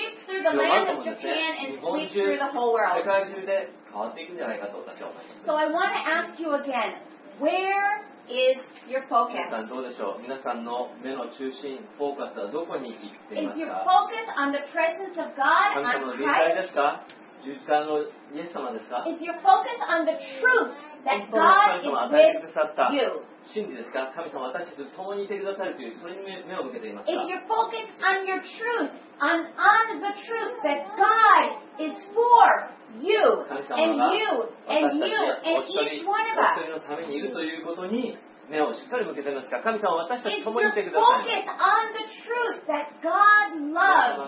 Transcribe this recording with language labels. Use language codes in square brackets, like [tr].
[en] through the land of Japan and sweeps through the whole world. So I want to ask you again, where is your focus? [ja] 皆さんどうでしょう。皆さんの目の中心、フォーカスはどこに行っていますか。 [en] Is your focus on the presence of God, on Christ? [ja] 神様の臨在ですか。十字架のイエス様ですか [en] If you focus on the truth that God is with you [ja] 真理ですか神様私と共にいてくださるというそれに目を向けていますか [en] If you focus on your truth on the truth that God is for you and you and you and each one of us [ja] 私のためにいるということに目をしっかり向けていますか神様私たち共にいてください [en] If you focus on the truth that God loves